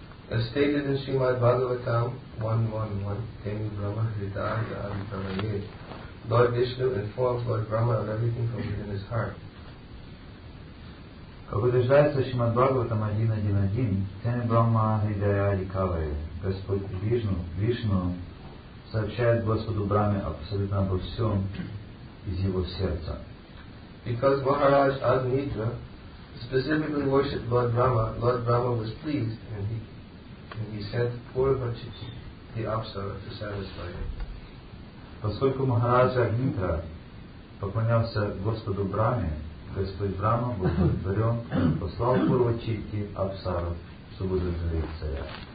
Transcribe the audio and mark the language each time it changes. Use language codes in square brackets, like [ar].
[en] As stated in Srimad Bhagavatam 1.1.1, [sa] Tengu Brahma Hridaya Adi Pramaye, [en] Lord Vishnu informs Lord Brahma of everything from within his heart. [ru] Как утверждается Шримад Бхагаватам 1.1.1, [sa] Тен Брахма Хридая Ади Кавая, [ru] Господь Вишну сообщает Господу Браме абсолютно обо всем из его сердца. [en] Because Maharaj Agnidra specifically worshipped Lord Brahma was pleased and he sent Purvachiti, the Apsara, to satisfy him. [ru] Поскольку Махарадж Агнидра поклонялся Господу Браме, Господь Брама был удовлетворен и послал Пурвачити Апсару, чтобы удовлетворить царя.